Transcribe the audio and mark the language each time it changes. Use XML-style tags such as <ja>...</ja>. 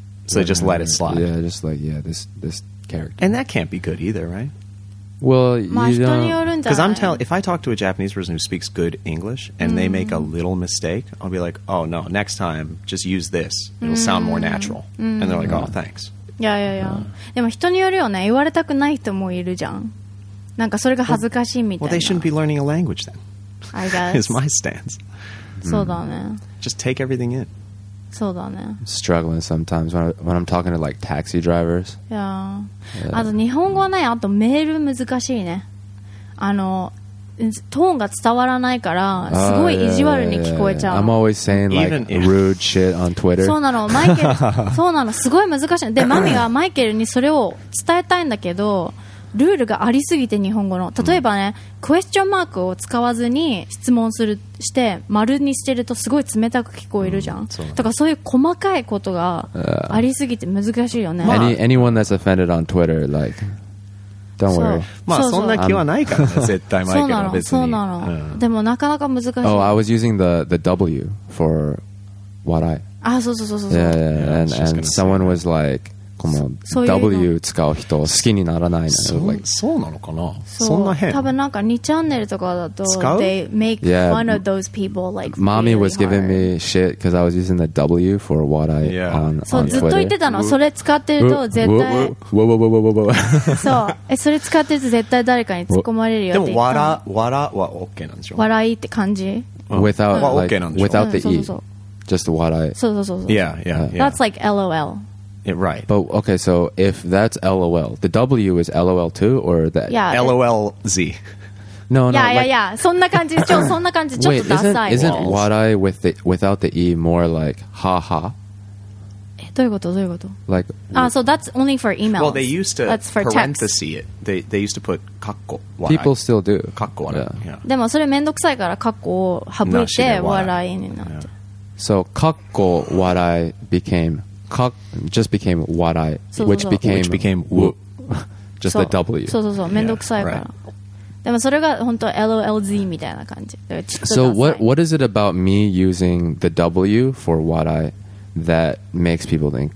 <en>So they just let it slide. Yeah, just like, yeah, this character. And that can't be good either, right? Well, you don't... Because if I talk to a Japanese person who speaks good English, and they make a little mistake, I'll be like, oh, no, next time, just use this. It'll sound more natural. And they're like, oh, thanks. Yeah, yeah, yeah.</en> <ja>でも人によるよね。言われたくない人もいるじゃん。なんかそれが恥ずかしいみたいな。</ja> <en>Well, they shouldn't be learning a language then. I guess. Is my stance.</en> <ja>そうだね。</ja> <en>Just take everything in.</en> <ja>そうだね。</ja> <en>Struggling sometimes when I'm talking to like taxi drivers.</en> <ja>Yeah. あと日本語はね、あとメール難しいね。あの、トーンが伝わらないからすごい意地悪に聞こえちゃう。</ja> <en>I'm always saying like rude shit on Twitter.</en> <ja>そうなの、マイケル。そうなの、すごい難しい。で、マミがマイケルにそれを伝えたいんだけど、ルールがありすぎて日本語の例えばね、クエスチョンマークを使わずに質問するして丸にしてるとすごい冷たく聞こえるじゃん、そうだからそういう細かいことがありすぎて難しいよね、</ja> <en>まあ、anyone that's offended on Twitter like don't worry、</en> <ja>まあ、そんな気はないからね絶対マイケルは別にそうなの、でもなかなか難しい</ja> <en>Oh, I was using the W for what I</en> <ja>ああそうそうそうそう</ja> <en>yeah, yeah. And someone was likeW</en> <ja>使う人好きにならないのそうなのかな そんな変多分なんか2チャンネルとかだと使う</ja> <en>They make fun of those people like Mommy、 was giving me shit Because I was using the W for what I on</en> <ja>そうずっと言ってたのそれ使ってると絶対そうそれ使ってると絶対誰かに突っ込まれるよって言ったのでも笑は OK なんでしょ笑いって感じ</ja> <en>Without</en> <ja>は OK なんでしょ</ja> <en>Without the E Just 笑い</en> <ja>そうそうそうそう</ja> <en>Yeah, yeah That's like LOL Yeah, right. But okay, so if that's LOL, the W is LOL too, or that LOLZ? No, no.</en> <ja>Yeah. そんな感じ。ちょ、そんな感じ。ちょっとダサい。</ja> <en>Isn't 笑い without the E more like ha ha?</en> <ja>え、どういうこと？どういうこと？</ja> <en>Like, so that's only for emails. Well, they used to parenthesis it. They used to put カッコ笑い。 People still do. カッコ笑い。Yeah. Yeah.</en> <ja>でもそれめんどくさいからカッコを省いて笑いになって。</ja> <en>Yeah. So カッコ笑い became just became 笑い、 which became w o just the W.</en> <ja>そうそうそう、めんどくさいから。</ja> <en>Yeah. Right.</en> <ja>でもそれが本当 LOLZ みたいな感じ。</ja> <en>So what is it about me using the W for what I that makes people think</en>